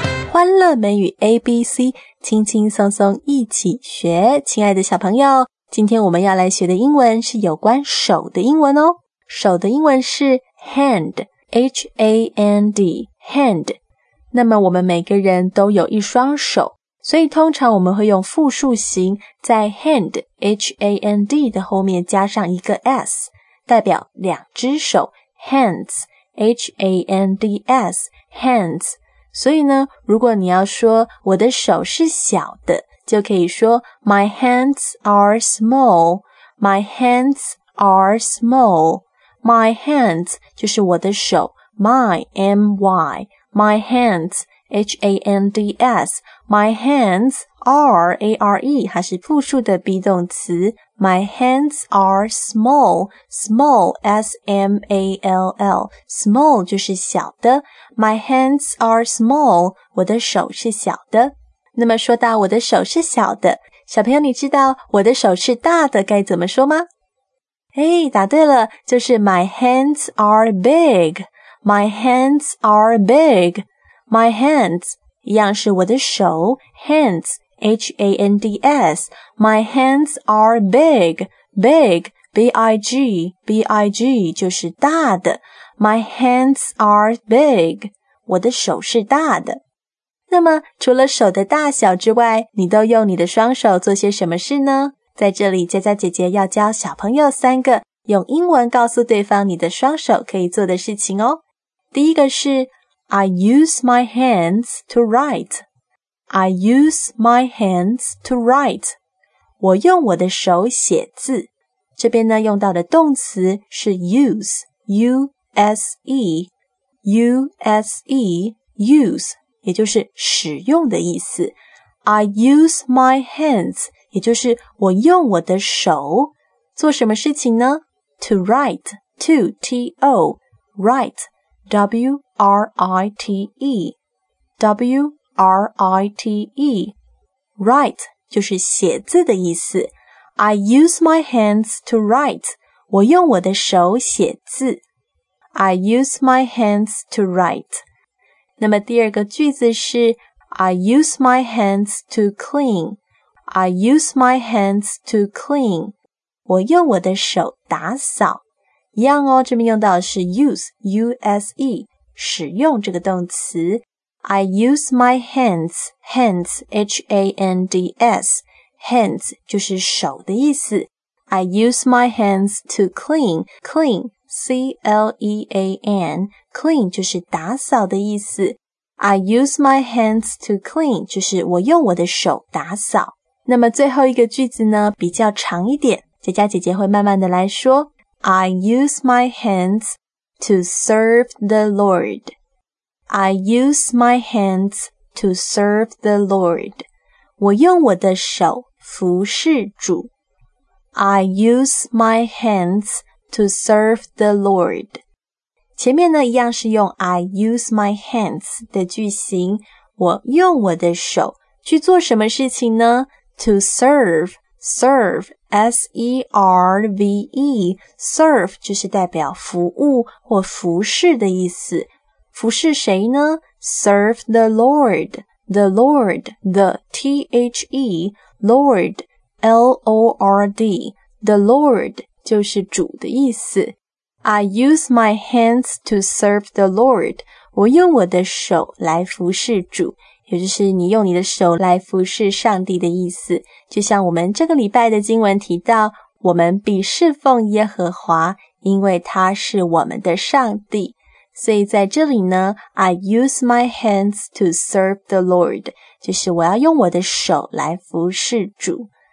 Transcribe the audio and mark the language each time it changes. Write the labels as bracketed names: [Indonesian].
[Chinese] 欢乐美语 ABC 轻轻松松一起学，亲爱的小朋友，今天我们要来学的英文是有关手的英文哦。 [English] 手的英文是 hand， H-A-N-D， hand。 [Chinese] 那么我们每个人都有一双手，所以通常我们会用复数形在 hand H-A-N-D 的后面加上一个 s， 代表两只手， hands H-A-N-D-S hands。所以呢，如果你要说我的手是小的，就可以说 [English] My hands are small [Chinese] My hands are small [English] My hands [Chinese] 就是我的手， [English] My M-Y My hands, H-A-N-D-S, my hands are, A-R-E, [Chinese] 还是复数的 be 动词， [English] my hands are small, small, S-M-A-L-L, small [Chinese] 就是小的， [English] my hands are small, [Chinese] 我的手是小的。那么说到我的手是小的，小朋友你知道我的手是大的该怎么说吗？诶，答对了，就是 [English] my hands are big,My hands are big. My hands, [Chinese] 一样是我的手， [English] hands, H-A-N-D-S. My hands are big. Big, B-I-G, B-I-G, [Chinese] 就是大的。 [English] My hands are big. [Chinese] 我的手是大的。那么除了手的大小之外，你都用你的双手做些什么事呢？在这里佳佳姐姐要教小朋友三个用英文告诉对方你的双手可以做的事情哦。第一个是 [English] I use my hands to write I use my hands to write [Chinese] 我用我的手写字。这边呢用到的动词是 use U-S-E U-S-E use 也就是使用的意思。 [English] I use my hands [Chinese] 也就是我用我的手做什么事情呢？ [English] To write To T-O writew-r-i-t-e w-r-i-t-e write [Chinese] 就是写字的意思。 [English] I use my hands to write [Chinese] 我用我的手写字。 [English] I use my hands to write。 [Chinese] 那么第二个句子是 [English] I use my hands to clean I use my hands to clean [Chinese] 我用我的手打扫。一样哦，这边用到的是 use, U-S-E, 使用这个动词。 [English] I use my hands, hands, H-A-N-D-S, hands [Chinese] 就是手的意思。 [English] I use my hands to clean, clean, C-L-E-A-N, clean [Chinese] 就是打扫的意思。 [English] I use my hands to clean, [Chinese] 就是我用我的手打扫。那么最后一个句子呢，比较长一点，佳佳姐姐会慢慢的来说。 [English] I use my hands to serve the Lord. I use my hands to serve the Lord. [Chinese] 我用我的手服侍主。 [English] I use my hands to serve the Lord. [Chinese] 前面呢一样是用 [English] I use my hands [Chinese] 的句型，我用我的手去做什么事情呢？ [English] To serve, serve, S-E-R-V-E, serve [Chinese] 就是代表服务或服侍的意思。服侍谁呢？ [English] Serve the Lord, the Lord, the T-H-E, Lord, L-O-R-D, the Lord [Chinese] 就是主的意思。 [English] I use my hands to serve the Lord, [Chinese] 我用我的手来服侍主。也就是你用你的手来服侍上帝的意思，就像我们这个礼拜的经文提到，我们必侍奉耶和华，因为他是我们的上帝。所以在这里呢， [English] I use my hands to serve the Lord， [Chinese] 就是我要用我的手来服侍主。